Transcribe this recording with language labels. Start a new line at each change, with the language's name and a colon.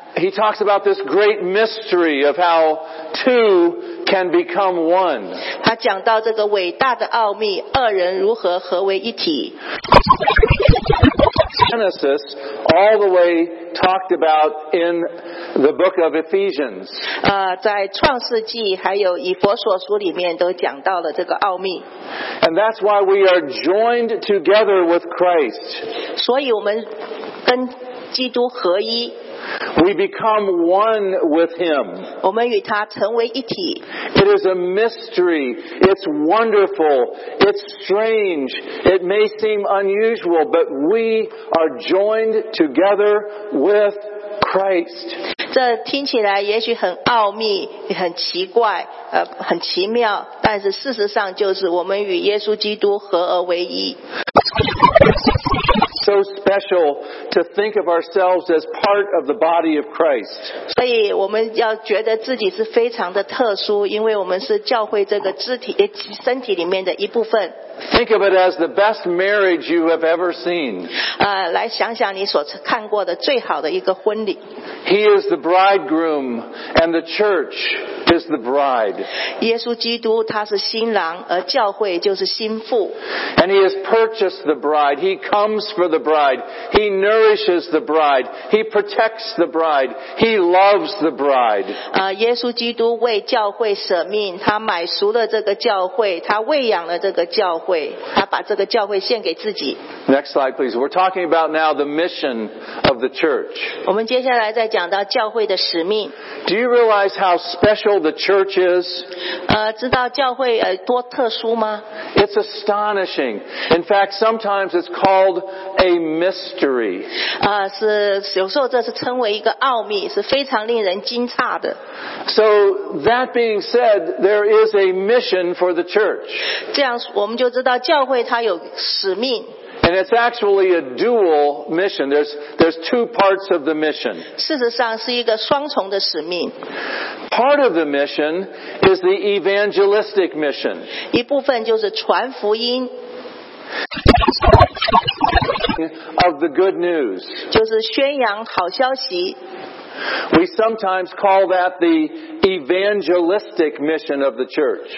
English: He talks about this great mystery of how two can become one.
Chinese: 他讲到这个伟大的奥秘，二人如何合为一体。
English: Genesis all the way talked about in the book of Ephesians.
Chinese: 在创世纪还有以弗所书里面都讲到了这个奥秘。
English: And that's why we are joined together with Christ.
Chinese: 所以我们跟基督合一。
English: We become one with him.
Chinese: 我们与他成为一体。
English: It is a mystery. It's wonderful. It's strange. It may seem unusual, but we are joined together with Christ.
Chinese: 这听起来也许很奥秘，很奇怪，很奇妙，但是事实上就是我们与耶稣基督合而为一。
English: So special to think of ourselves as part of the body of Christ.
Chinese: 所以我们要觉得自己是非常的特殊，因为我们是教会这个身体里面的一部分。
English: Think of it as the best marriage you have ever seen.
Chinese: 来想想你所看过的最好的一个婚礼。
English: He is the bridegroom, and the church is the bride.
Chinese: 耶稣基督他是新郎，而教会就是新妇。
English: And he has purchased the bride. He comes for the bride. He nourishes the bride. He protects the bride. He loves the bride.
Chinese: 耶稣基督为教会舍命，他买赎了这个教会，他喂养了这个教会。他把这个教会献给自己。
English: Next slide, please. We're talking about now the mission of the church.
Chinese: 我们接下来再讲到教会的使命。
English: Do you realize how special the church is?
Chinese: 知道教会多特殊吗？
English: It's astonishing. In fact, sometimes it's called a mystery.
Chinese: 是有时候这是称为一个奥秘，是非常令人惊诧的。
English: So that being said, there is a mission for the church.
Chinese: 这样我们就知道教会它有使命。
English: And it's actually a dual mission. There's two parts of the mission.
Chinese: 事实上是一个双重的使命。
English: Part of the mission is the evangelistic mission.
Chinese: 一部分就是传福音。
English: Of the good news.
Chinese: 就是宣扬好消息。
English: We sometimes call that the evangelistic mission of the church.